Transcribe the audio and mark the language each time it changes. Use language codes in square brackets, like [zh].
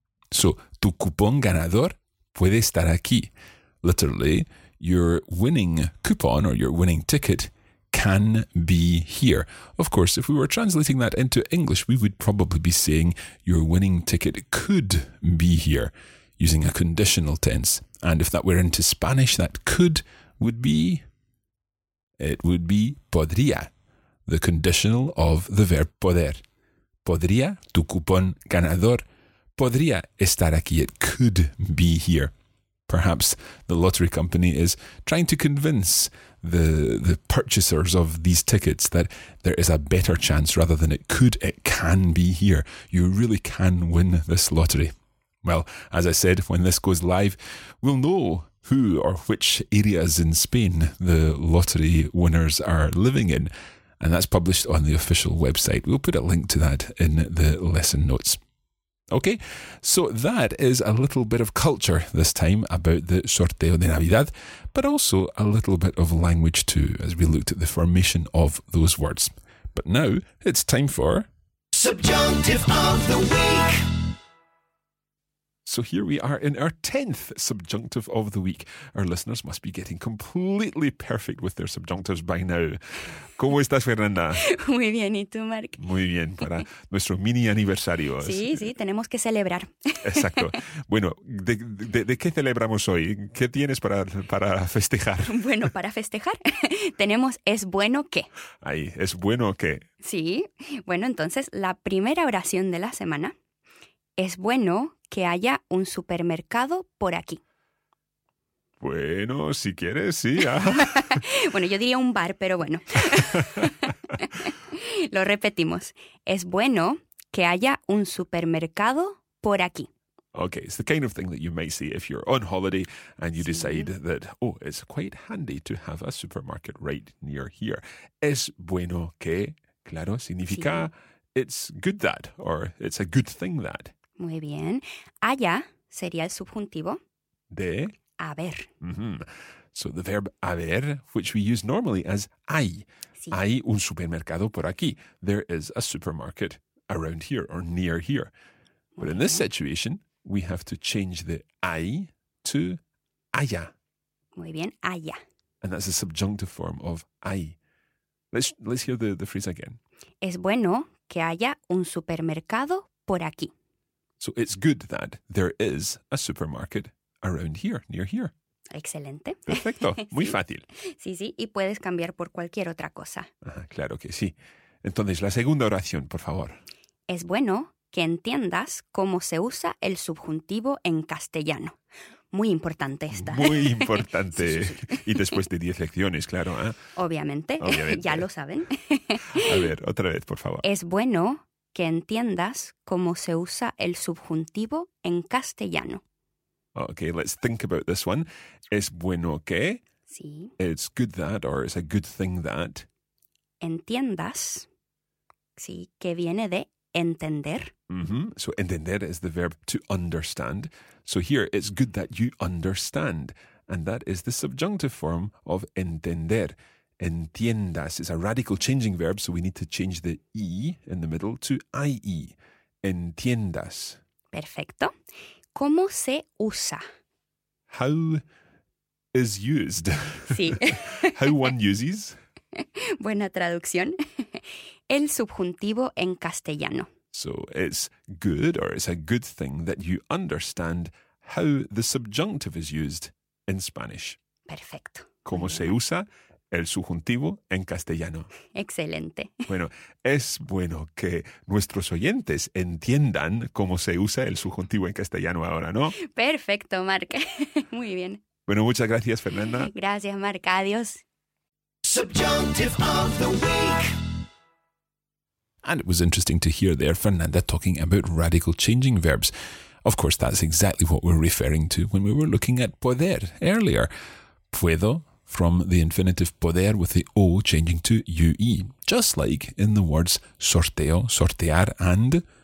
[es] So tu cupón ganador puede estar aquí. [en] Literally, your winning coupon or your winning ticket can be here. Of course, if we were translating that into English, we would probably be saying your winning ticket could be here, using a conditional tense. And if that were into Spanish, that could would be, it would be podría, the conditional of the verb poder. [es] Podría, tu cupón ganador, podría estar aquí, [en] it could be here. Perhaps the lottery company is trying to convince the purchasers of these tickets that there is a better chance rather than it could, it can be here. You really can win this lottery. Well, as I said, when this goes live, we'll know who or which areas in Spain the lottery winners are living in. And that's published on the official website. We'll put a link to that in the lesson notes. Okay, so that is a little bit of culture this time about the sorteo de Navidad, but also a little bit of language too, as we looked at the formation of those words. But now it's time for Subjunctive of the Week. So here we are in our 10th subjunctive of the week. Our listeners must be getting completely perfect with their subjunctives by now. [es] ¿Cómo estás, Fernanda? Muy bien, ¿y tú, Mark? Muy bien, para nuestro mini aniversario. Sí, sí, tenemos que celebrar. Exacto. Bueno, ¿de qué celebramos hoy? ¿Qué tienes para festejar? Bueno, para festejar tenemos es bueno que. Ahí, es bueno que. Sí, bueno, entonces la primera oración de la semana es bueno que haya un supermercado por aquí. Bueno, si quieres, sí. ¿Ah? Bueno, yo diría un bar, pero bueno. Lo repetimos. Es bueno que haya un supermercado por aquí. [en] Okay, it's the kind of thing that you may see if you're on holiday and you decide that, oh, it's quite handy to have a supermarket right near here. [es] Es bueno que, claro, significa [en] it's good that or it's a good thing that. [es] Muy bien. Haya sería el subjuntivo de haber. Mm-hmm. [en] So the verb haber, which we use normally as hay. [es] Sí. Hay un supermercado por aquí. [en] There is a supermarket around here or near here. But in this situation, we have to change the hay to haya. [es] Muy bien. Haya. [en] And that's a subjunctive form of hay. Let's hear the phrase again. [es] Es bueno que haya un supermercado por aquí. [en] So it's good that there is a supermarket around here, near here. [es] Excelente. Perfecto. Muy fácil. Sí, sí. Y puedes cambiar por cualquier otra cosa. Ajá, claro que sí. Entonces, la segunda oración, por favor. Es bueno que entiendas cómo se usa el subjuntivo en castellano. Muy importante esta. Muy importante. Sí, sí, sí. Y después de 10 lecciones, claro. ¿Eh? Obviamente. Ya lo saben. A ver, otra vez, por favor. Es bueno que entiendas cómo se usa el subjuntivo en castellano. [en] Okay, let's think about this one. [es] Es bueno que. Sí. [en] It's good that or it's a good thing that. [es] Entiendas. Sí, que viene de entender. Mm-hmm. [en] So entender is the verb to understand. So here it's good that you understand. And that is the subjunctive form of entender. Entiendas is a radical changing verb, so we need to change the I in the middle to IE. [es] Entiendas. Perfecto. ¿Cómo se usa? [en] How is used. [es] Sí. [en] How one uses. [es] Buena traducción. El subjuntivo en castellano. [en] So it's good or it's a good thing that you understand how the subjunctive is used in Spanish. [es] Perfecto. ¿Cómo se usa? El subjuntivo en castellano. Excelente. Bueno, es bueno que nuestros oyentes entiendan cómo se usa el subjuntivo en castellano ahora, ¿no? Perfecto, Mark. Muy bien. Bueno, muchas gracias, Fernanda. Gracias, Mark. Adiós. [en] Subjunctive of the week. And it was interesting to hear there Fernanda talking about radical changing verbs. Of course, that's exactly what we're referring to when we were looking at poder earlier. Puedo, from the infinitive poder with the O changing to UE, just like in the words sorteo, sortear, and